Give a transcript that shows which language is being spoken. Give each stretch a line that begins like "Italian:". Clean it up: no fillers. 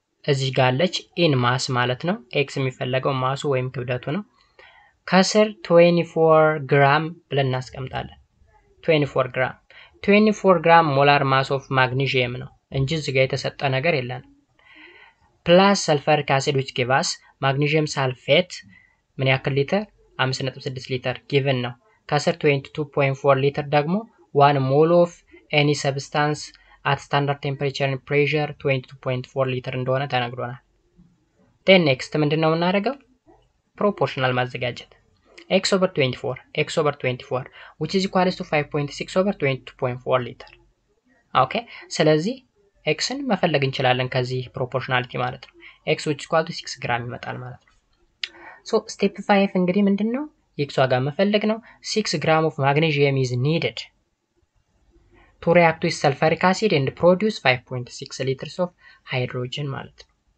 Amharic: እዚህ ጋር አለች in mass ማለት ነው። x የሚፈለገው ማሱ ወይም ክብደቱ ነው። ከስር 24 gram ብለን እናስቀምጣለን። 24 gram 24 gram
English: molar mass of magnesium
Amharic: ነው እንጂ እዚህ ጋር የተሰጠ ነገር የለም።
English: plus sulfuric acid which give us magnesium sulfate
Amharic: ምን ያክል ሊትር 5.6 ሊትር given ነው። ከስር 22.4 ሊትር ደግሞ
English: 1 mole of any substance at standard temperature and pressure 22.4 liter እንደሆነ ተነግሮናል.
Amharic: Then next ምንድነው እናደርገው? Proportional ማዘጋጀት.
English: X over 24, x over 24, which is equal to 5.6 over 22.4 liter.
Amharic: Okay, ስለዚህ x ን መፈለግ እንችላለን ከዚህ proportionality ማለት ነው.
English: X which is equal to 6 gram
Amharic: ይመጣል ማለት ነው.
English: So step 5
Amharic: እንግዲህ ምንድነው? X ዋጋ መፈለግ ነው.
English: 6 gram of magnesium is needed to react with sulfuric acid and produce 5.6 liters of hydrogen
Amharic: ማለት ነው.